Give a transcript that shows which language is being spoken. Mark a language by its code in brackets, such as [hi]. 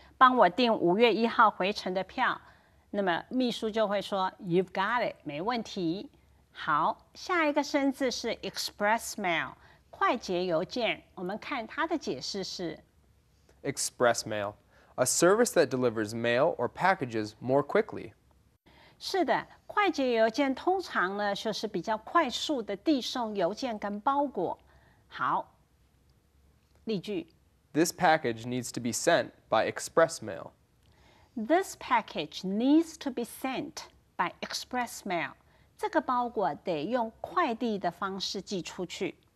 [zh] 帮我订五月一号回程的票。那么秘书就会说 [en] you've got it, [zh] 没问题。好，下一个生字是 express mail. 快捷邮件，我们看它的解释是 [en] Express mail, a service that delivers mail or packages more quickly. [zh] 是的，快捷邮件通常呢，就是比较快速的递送邮件跟包裹。好，例句。 [en] This package needs to be sent by express mail. This package needs to be sent by express mail. [zh] 这个包裹得用快递的方式寄出去。